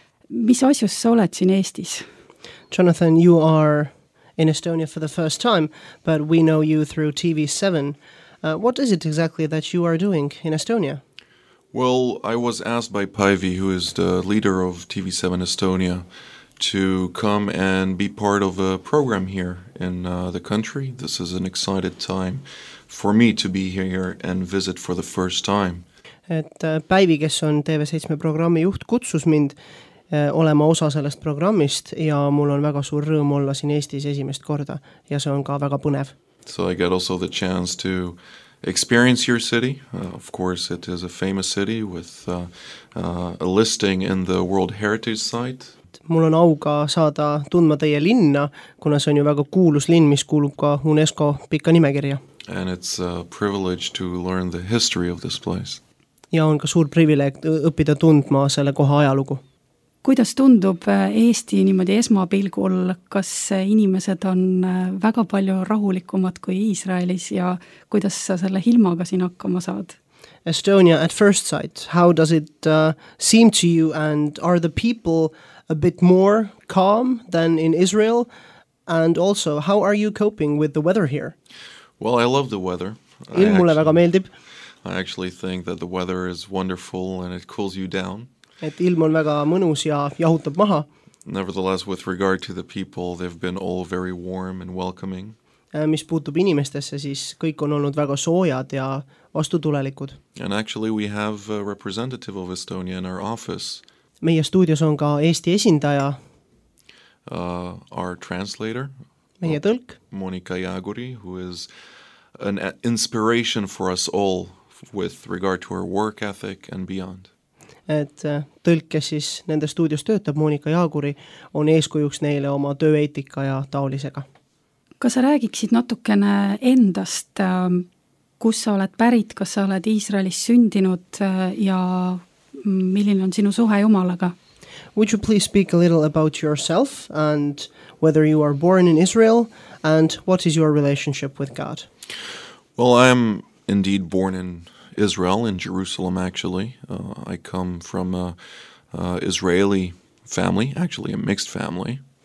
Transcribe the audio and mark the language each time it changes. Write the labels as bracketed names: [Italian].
[Estonian] Mis asjus sa oled siin Eestis? [English] Jonathan, you are in Estonia for the first time, but we know you through TV7. What is it exactly that you are doing in Estonia? Well, I was asked by Päivi, who is the leader of TV7 Estonia, to come and be part of a program here in the country. This is an excited time for me to be here and visit for the first time. [Estonian] Et Päivi, kes on TV7 programmi juht, kutsus mind olema osa sellest programmist ja mul on väga suur rõõm olla siin Eestis esimest korda ja see on ka väga põnev. [English] So I get also the chance to experience your city. Of course, it is a famous city with a listing in the World Heritage Site. [Estonian] Mul on au ka saada tundma teie linna, kuna see on ju väga kuulus linn, mis kuulub ka UNESCO pika nimekirja. [English] And it's a privilege to learn the history of this place. [Estonian] Ja on ka suur privileeg õppida tundma selle koha ajalugu. Kuidas tundub Eesti niimoodi esmapilgul, kas inimesed on väga palju rahulikumad kui Iisraelis ja kuidas sa selle ilmaga siin hakkama saad? [English] Estonia at first sight, how does it seem to you and are the people a bit more calm than in Israel? And also, how are you coping with the weather here? Well, I love the weather. I actually think that the weather is wonderful and it cools you down. [Estonian] Et ilm on väga mõnus ja jahutab maha. [English] Nevertheless, with regard to the people, they've been all very warm and welcoming. [Estonian] Mis puutub inimestesse, siis kõik on olnud väga soojad ja vastutulelikud. [English] And actually, we have a representative of Estonia in our office. [Estonian] Meie studios on ka Eesti esindaja. [English] Our translator. [Estonian] Meie tõlk. [English] Monika Jaguri, who is an inspiration for us all with regard to our work ethic and beyond. [Estonian] Et tõlk, kes siis nende studios töötab, Monika Jaguri, on eeskujuks neile oma tööeetika ja taolisega. Kas sa räägiksid natukene endast, kus sa oled pärit, kas sa oled Iisraelis sündinud ja milline on sinu suhe Jumalaga? [English] Would you please speak a little about yourself and whether you are born in Israel and what is your relationship with God? Well, I am indeed born in Israel, in Jerusalem actually. I come from a Israeli family, actually a mixed family.